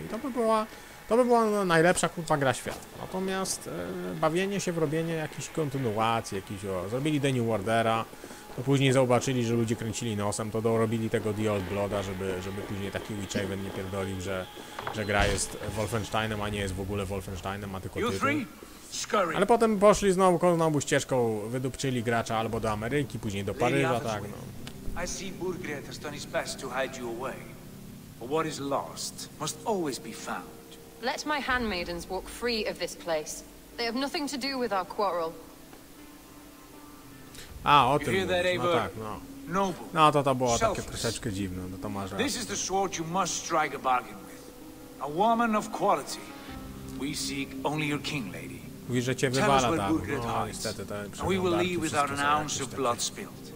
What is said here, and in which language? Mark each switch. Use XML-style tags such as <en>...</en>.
<pl>I to by była najlepsza kurwa gra świata. Natomiast bawienie się w robienie jakiejś kontynuacji, zrobili The New Order'a, to później zobaczyli, że ludzie kręcili nosem, to dorobili tego The Old Blooda, żeby później taki Witch Haven nie pierdolił, że gra jest Wolfensteinem, a nie jest w ogóle Wolfensteinem, a tylko tytuł. Ale potem poszli znowu kolną ścieżką, wydupczyli gracza albo do Ameryki, później do Paryża, tak no.</pl> <en>I see Burgred has done his best to hide you away. But what is lost must always be found. Let my handmaidens walk free of this place. They have nothing to do with our quarrel.</en> <pl>A, o tym mówisz. No tak, no. No to było takie troszeczkę dziwne, no to masz.</pl> <en>This is the sword you must strike a bargain with. A woman of quality. We seek only your king, lady.</en> <pl>Mówi, że cię wywala tam. No, niestety, to jest przemiał Dark, to wszystko są jakieś takie.</pl>